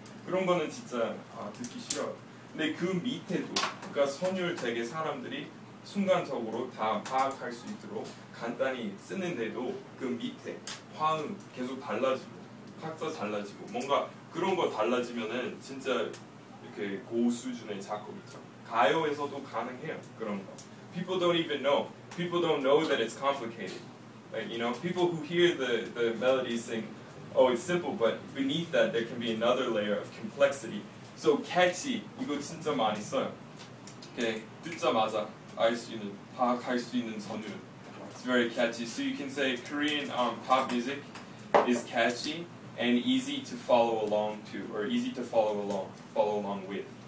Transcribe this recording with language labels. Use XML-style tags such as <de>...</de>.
<ko>그런 거는 진짜 아, 듣기 싫어요. 근데 그 밑에도, 그러니까 선율 되게 사람들이 순간적으로 다 파악할 수 있도록 간단히 쓰는데도 그 밑에 화음 계속 달라지고 박자 달라지고 뭔가 그런 거 달라지면은 진짜 이렇게 고수 수준의 작곡이죠. 가요에서도 가능해요 그런 거.</ko> <en>People don't even know. People don't know that it's complicated. Like you know, people who hear the melodies think, oh, it's simple. But beneath that, there can be another layer of complexity.</en> <ko>So catchy 이거 진짜 많이 써요. 이렇게 듣자마자 알 수 있는 파악할 수 있는 선율.</ko> <en>It's very catchy. So you can say Korean pop music is catchy and easy to follow along to, or easy to follow along with.</en>